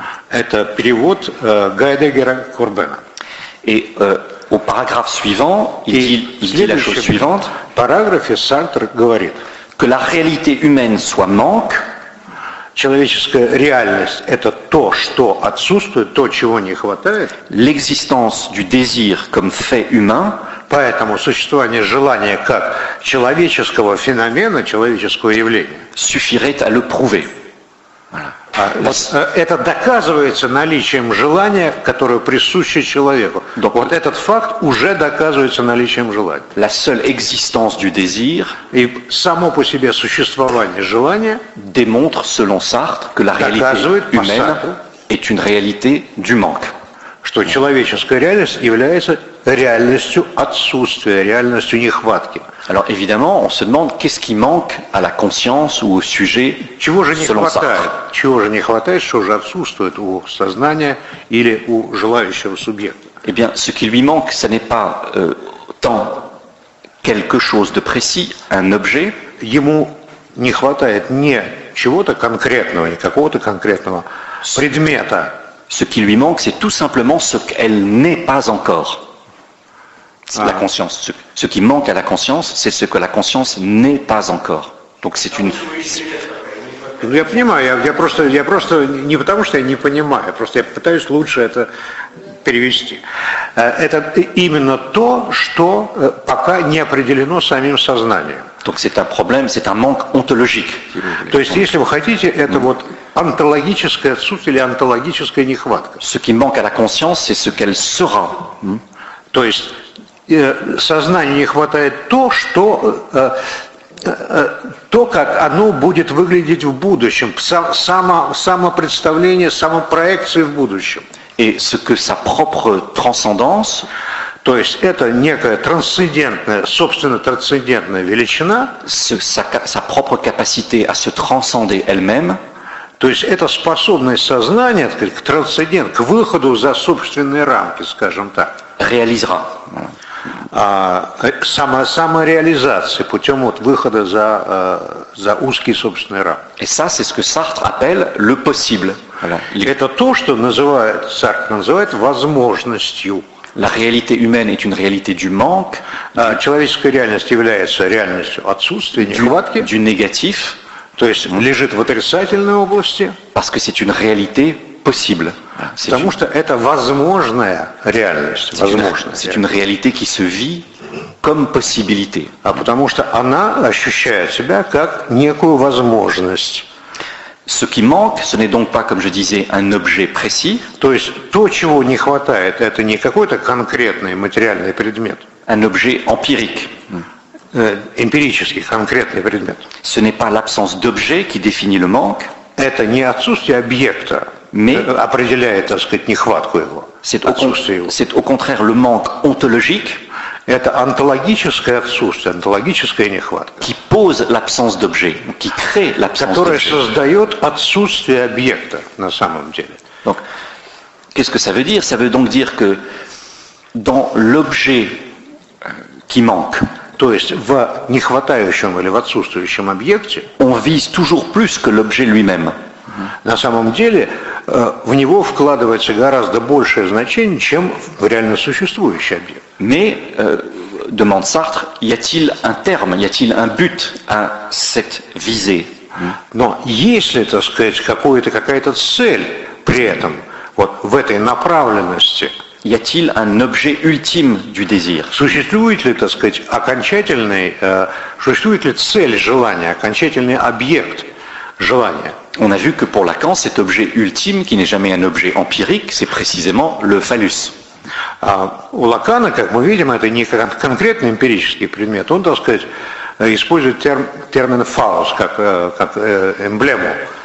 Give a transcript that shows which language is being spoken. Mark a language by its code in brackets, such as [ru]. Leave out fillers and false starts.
[ru] Это перевод Гайдегера Корбена. [fr] Et au paragraphe suivant, il dit la chose suivante. [ru] Параграфе Сартр говорит. [fr] Que la réalité humaine soit manque. [ru] Человеческая реальность – это то, что отсутствует, то, чего не хватает. [fr] L'existence du désir comme fait humain. [ru] Поэтому существование желания как человеческого феномена, человеческого явления. [fr] Suffirait à le prouver. Voilà. [ru] Это доказывается наличием желания, которое присуще человеку. Donc, вот этот факт уже доказывается наличием желания. [fr] La seule existence du désir, [ru] и само по себе существование желания [fr] démontre, selon Sartre, que la [ru] доказывает по Сартру, [fr] est une réalité du manque. [ru] Что человеческая реальность является реальностью отсутствия, реальностью нехватки. [fr] Alors évidemment, on se demande qu'est-ce qui manque à la conscience ou au sujet. [ru] Чего же не хватает? Чего же не хватает, что же отсутствует у сознания или у желающего субъекта? [fr] Eh bien, ce qui lui manque, ce n'est pas tant quelque chose de précis, un objet. [ru] Ему не хватает не чего-то конкретного, не какого-то конкретного предмета. [fr] Ce qui lui manque, c'est tout simplement ce qu'elle n'est pas encore. La conscience. Ce qui manque à la conscience, c'est ce que la conscience n'est pas encore. Donc c'est une. [ru] Я понимаю, я просто не потому что я не понимаю, просто я пытаюсь лучше это перевести. Это именно то, что пока не определено самим сознанием. [fr] Donc c'est un problème, c'est un manque ontologique. [ru] То есть, если вы хотите, это вот онтологическое отсутствие или онтологическая нехватка. [fr] Ce qui manque à la conscience, c'est ce qu'elle sera. [ru] То есть сознанию не хватает то, что то, как оно будет выглядеть в будущем, самопредставление, самопроекции в будущем. [fr] Et ce que sa propre transcendance, [ru] то есть это некая трансцендентная, собственно трансцендентная величина, [fr] sa propre capacité à se transcender elle-même, [ru] то есть это способность сознания, так сказать, к трансцендент, к выходу за собственные рамки, скажем так. Реализра. Самореализации путем вот выхода за узкий собственный рам. [fr] Et ça, c'est ce que Sartre appelle le possible. [ru] Это то, что называет, Сартр называет возможностью. [fr] La réalité humaine est une réalité du manque. [ru] Человеческая реальность является реальностью отсутствия, нехватки. [fr] Du négatif. [ru] То есть лежит в отрицательной области. [fr] Parce que c'est une réalité possible. [ru] Потому что это возможная реальность. Возможная. [fr] C'est une réalité qui se vit comme possibilité. [ru] А потому что она ощущает себя как некую возможность. [fr] Ce qui manque, ce n'est donc pas, comme je disais, un objet précis. [ru] То есть то, чего не хватает, это не какой-то конкретный материальный предмет. [fr] Un objet empirique. [ru] Эмпирический, конкретный предмет. [fr] Ce n'est pas l'absence d'objet qui définit le manque. [ru] Это не отсутствие объекта, [fr] mais [ru] определяет, так сказать, нехватку его. [fr] C'est au contraire le manque ontologique. [ru] Это онтологическое отсутствие, онтологическая нехватка. [fr] Qui pose l'absence d'objet, qui crée l'absence d'objet. [ru] Которая создает отсутствие объекта на самом деле. [fr] Donc, qu'est-ce que ça veut dire? Ça veut donc dire que dans l'objet qui manque, [ru] то есть в нехватающем или в отсутствующем объекте, [fr] on vise toujours plus que l'objet lui-même. [ru] На самом деле, в него вкладывается гораздо большее значение, чем в реально существующий объект. [fr] Mais, demande Sartre, y a-t-il un terme, y a-t-il un but à cette visée? [ru] Но есть ли, так сказать, какая-то цель при этом, вот в этой направленности? [fr] Y a-t-il un objet ultime du désir? [ru] Существует ли, так сказать, окончательный, существует ли цель желания, окончательный объект желания? [fr] On a vu que pour Lacan, cet objet ultime, qui n'est jamais un objet empirique, c'est précisément le phallus. [ru] У Лакана, как мы видим, это не конкретный эмпирический предмет. Он, так сказать, использует термин фаллос как эмблему.